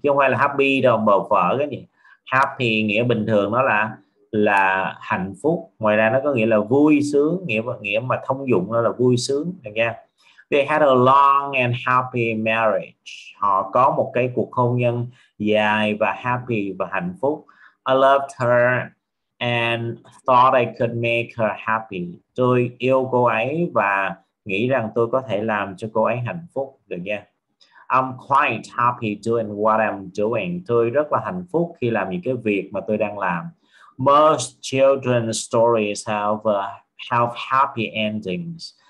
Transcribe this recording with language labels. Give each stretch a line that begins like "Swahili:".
Vietnamese: Chứ không phải là happy đâu, mờ phở cái gì. Happy nghĩa bình thường nó là hạnh phúc. Ngoài ra nó có nghĩa là vui sướng, nghĩa mà thông dụng nó là vui sướng. Được nha.
English: They had a long and happy marriage.
Vietnamese: Họ có một cái cuộc hôn nhân dài và happy và hạnh phúc.
English: I loved her and thought I could make her happy.
Vietnamese: Tôi yêu cô ấy và nghĩ rằng tôi có thể làm cho cô ấy hạnh phúc. Được nha.
English: I'm quite happy doing what I'm doing.
Vietnamese: Tôi rất là hạnh phúc khi làm những cái việc mà tôi đang làm.
English: Most children's stories have happy endings.